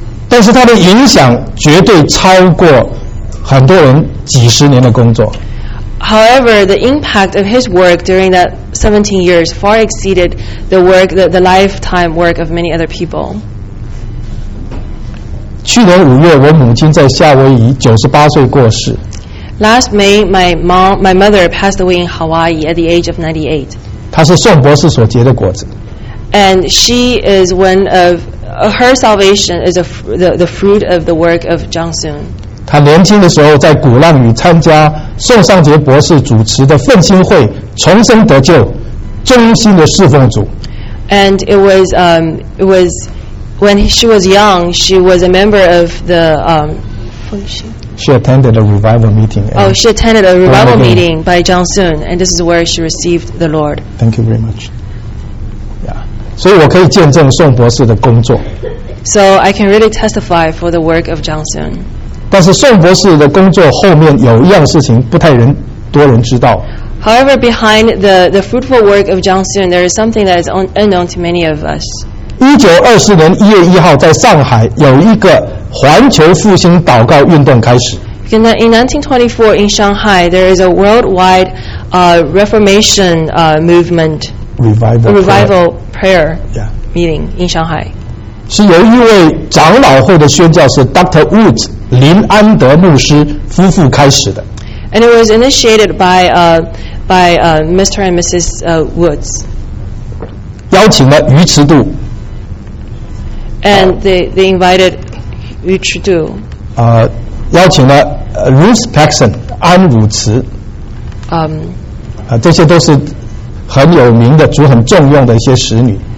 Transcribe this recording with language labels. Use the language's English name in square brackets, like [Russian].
[Chinese] 但是他的影响绝对超过很多人几十年的工作。 [English] However, the impact of his work during that 17 years far exceeded the work, the lifetime work of many other people. [Chinese] 去年五月，我母亲在夏威夷98岁过世。 [English] Last May, my mother passed away in Hawaii at the age of 98. [Chinese] 她是宋博士所结的果子。 [English] And she is one of her salvation is the fruit of the work of John Soon. [Chinese] 他年轻的时候在鼓浪屿参加宋尚杰博士主持的奋兴会，重生得救，忠心的侍奉主。 [English] And it was when she was young, she was a member of the She attended a revival meeting. Oh, she attended a revival meeting by John Soon, and this is where she received the Lord. Thank you very much. [Chinese] Yeah, 所以我可以见证宋博士的工作。 [English] So I can really testify for the work of John Soon. [Chinese] 但是宋博士的工作后面有一样事情不太人多人知道。 [English] However, behind the fruitful work of John Soon, there is something that is unknown to many of us. [Chinese] 1924年1月1号在上海有一个环球复兴祷告运动开始。 [English] In 1924 in Shanghai, there is a worldwide reformation movement. Revival prayer, yeah. meeting in Shanghai. [Chinese] 是由一位长老会的宣教士 Dr. Woods林安德牧师夫妇开始的。 [English] And it was initiated by Mr. and Mrs. Woods. [Chinese] 邀请了鱼池渡。 [English] And they invited 鱼池渡。 [Chinese] 邀请了 Ruth Paxson 安武池。这些都是很有名的、主很重用的一些使女。